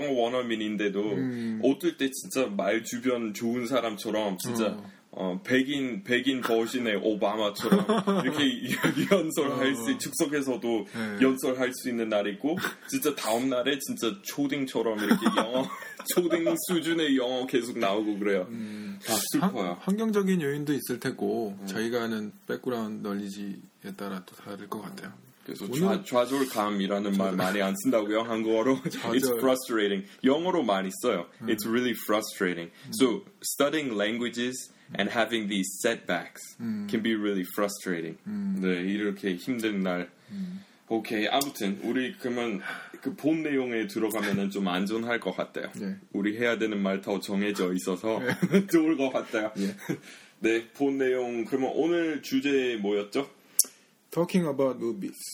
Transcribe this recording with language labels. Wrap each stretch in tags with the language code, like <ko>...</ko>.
<ko>영어 원어민인데도 어떨 때 진짜 말 주변 좋은 사람처럼 진짜 백인 버신의 오바마처럼 이렇게 연설할 수 즉석에서도 연설할 수 있는 날 있고 진짜 다음 날에 진짜 초딩처럼 이렇게 영어 초딩 수준의 영어 계속 나오고 그래요. 다 슬퍼요. 환경적인 요인도 있을 테고 저희가 하는 백그라운드 널리지에 따라 또 다를 것 같아요. 그래서 오늘... 좌절감이라는 말 많이 안 쓴다고요 한국어로.</ko> <en>It's frustrating.</en> <ko>영어로 많이 써요.</ko> <en>It's really frustrating. So studying languages and having these setbacks can be really frustrating.</en> <ko>네, 이렇게 힘든 날. 오케이, 아무튼 우리 그러면 그 본 내용에 들어가면은 좀 안전할 것 같아요. 네. 우리 해야 되는 말 더 정해져 있어서 좋을 것 같아요. 예. 네, 본 내용 그러면 오늘 주제 뭐였죠?</ko> <en>Talking about movies.</en>